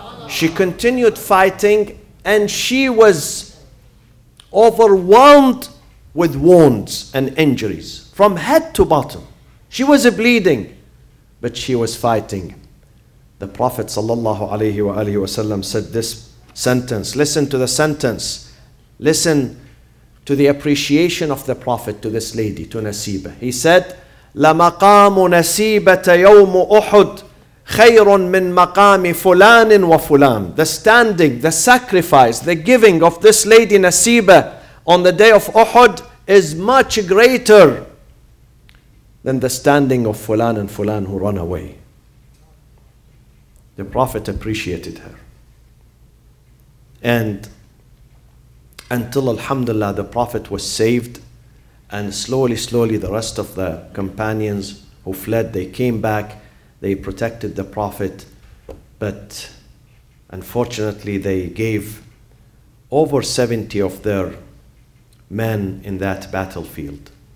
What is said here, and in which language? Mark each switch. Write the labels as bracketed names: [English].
[English] She continued fighting and she was overwhelmed with wounds and injuries from head to bottom. She was bleeding, but she was fighting. The Prophet sallallahu alayhi wa sallam said this sentence. Listen to the sentence. Listen to the appreciation of the Prophet to this lady, to Nasibah. He said, [Arabic] لَمَقَامُ نَسِيبَةَ يَوْمُ أُحُدٍ خَيْرٌ مِّن مَقَامِ فُلَانٍ وَفُلَانٍ. [English] The standing, the sacrifice, the giving of this lady Nasibah on the day of Uhud is much greater than the standing of Fulan and Fulan who run away. The Prophet appreciated her. And until alhamdulillah, the Prophet was saved, and slowly, slowly, the rest of the companions who fled, they came back, they protected the Prophet, but unfortunately, they gave over 70 of their men in that battlefield.